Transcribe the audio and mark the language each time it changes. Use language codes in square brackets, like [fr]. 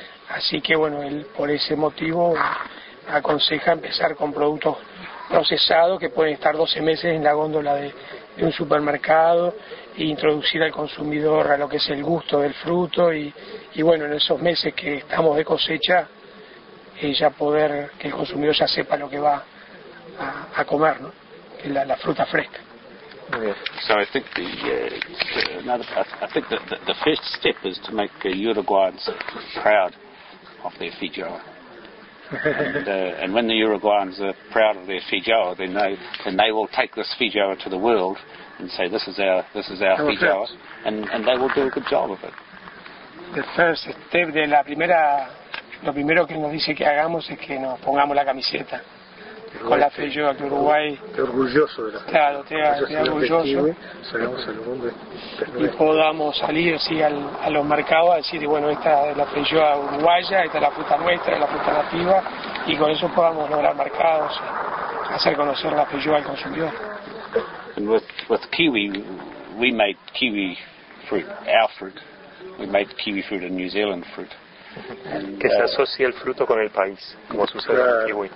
[es] Así que bueno, él por ese motivo aconseja empezar con productos procesados que pueden estar 12 meses en la góndola de un supermercado e introducir al consumidor a lo que es el gusto del fruto y bueno, en esos meses que estamos de cosecha, ya poder que el consumidor ya sepa lo que va a comer, ¿no? La fruta fresca. [en] So I think the first step is to make Uruguayans proud of their feijoa. And when the Uruguayans are proud of their feijoa, then they will take this feijoa to the world and say, this is our feijoa, and they will do a good job of it. The first step [es] de la primera, lo primero que nos dice que hagamos es que nos pongamos la camiseta. Con la feijoa de Uruguay. Qué orgulloso de la feijoa. Claro, te orgulloso. Salimos al mundo. Y podamos salir, sí, a los mercados a decir, bueno, esta es la feijoa uruguaya, esta es la fruta nuestra, es la fruta nativa, y con eso podamos lograr mercados, hacer conocer la feijoa al consumidor. [en] And with kiwi, we made kiwi fruit, our fruit. We made kiwi fruit and New Zealand fruit. [es] Que se asocia el fruto con el país, como sucede con el kiwi.